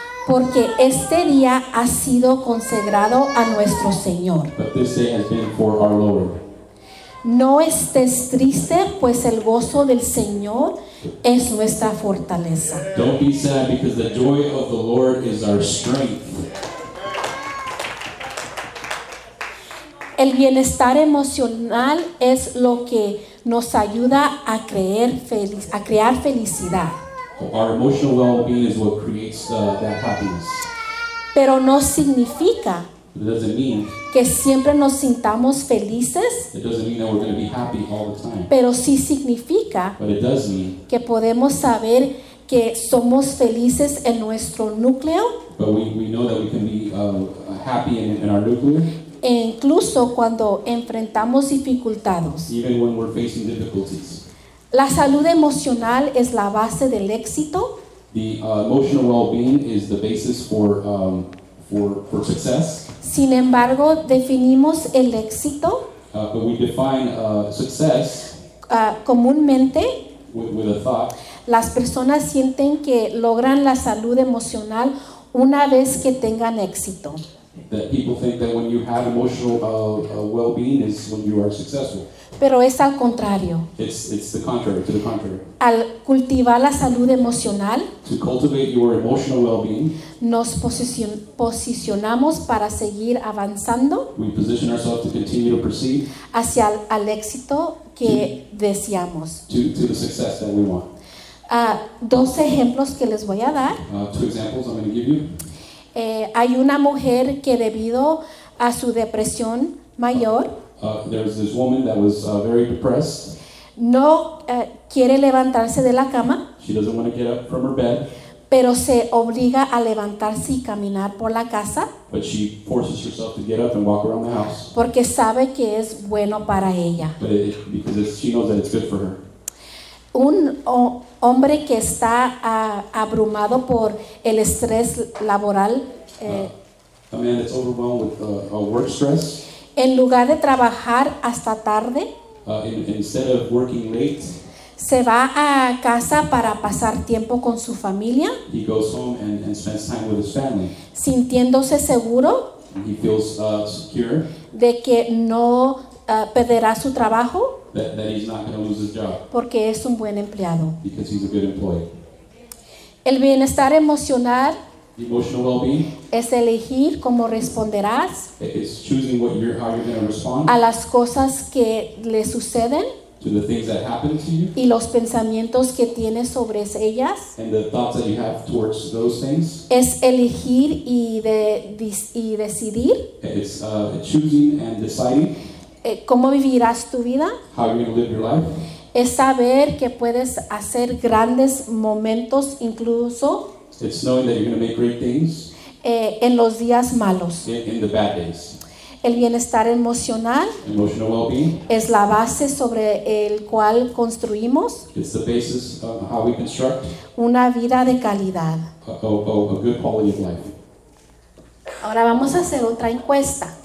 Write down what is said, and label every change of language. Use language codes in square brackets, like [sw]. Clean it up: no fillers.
[es] Porque este día ha sido consagrado a nuestro Señor. [en] But this day has been for our Lord. [es] No estés triste, pues el gozo del Señor es nuestra fortaleza. [en] Don't be sad, because the joy of the Lord is our strength. [es] El bienestar emocional es lo que nos ayuda a creer a crear felicidad. [en] Our emotional well-being is what creates that happiness. [es] Pero no significa [en] mean [es] que siempre nos sintamos felices. [en] It doesn't mean that we're going to be happy all the time. [es] Pero sí significa, [en] but it does mean, [es] que podemos saber que somos felices en nuestro núcleo. [en] But we know that we can be happy in our nucleus. [es] E incluso cuando enfrentamos dificultades. [en] Even when we're facing difficulties. [es] La salud emocional es la base del éxito. [en] The emotional well-being is the basis for success. [es] Sin embargo, definimos el éxito [en] but we define success [es] comúnmente [en] with a thought. [es] Las personas sienten que logran la salud emocional una vez que tengan éxito. [en] That people think that when you have emotional well-being is when you are successful. [es] Pero es al contrario. [en] It's the contrary, to the contrary. [es] Al cultivar la salud emocional, [en] to cultivate your emotional well-being, [es] nos posicionamos para seguir avanzando. [en] We position ourselves to continue to proceed [es] hacia al éxito que deseamos. [en] To the success that we want. [es] Dos ejemplos que les voy a dar. [en] Two examples I'm going to give you. [es] Hay una mujer que debido a su depresión mayor [en] there's this woman that was very depressed. [es] No quiere levantarse de la cama. [en] She doesn't want to get up from her bed. [es] pero se obliga a levantarse y caminar por la casa. [en] But she forces herself to get up and walk around the house. [es] Porque sabe que es bueno para ella. [en] Because she knows that it's good for her. [es] Un hombre que está abrumado por el estrés laboral. [en] A man that's overwhelmed with work stress. [es] En lugar de trabajar hasta tarde. [en] Instead of working late. [es] Se va a casa para pasar tiempo con su familia. [en] He goes home and spends time with his family. [es] Sintiéndose seguro. [en] And he feels secure. [es] De que no perderá su trabajo. [en] That he's not going to lose his job. [es] Porque es un buen empleado. [en] Because he's a good employee. [es] El bienestar emocional. [en] The emotional well-being. [es] Es elegir cómo responderás. [en] It's choosing what you're, how you're going to respond. [es] A las cosas que le suceden. [en] To the things that happen to you. [es] Y los pensamientos que tienes sobre ellas. [en] And the thoughts that you have towards those things. [es] Es elegir y decidir. [en] It's choosing and deciding. [es] ¿Cómo vivirás tu vida? [en] How you're going to live your life. [es] Es saber que puedes hacer grandes momentos incluso. [en] It's knowing that you're going to make great things. [es] En los días malos. [en] In the bad days. [es] El bienestar emocional, [en] emotional well-being, [es] es la base sobre el cual construimos, [en] it's the basis of how we construct, [es] una vida de calidad. [en] A good quality of life. [es] Ahora vamos a hacer otra encuesta.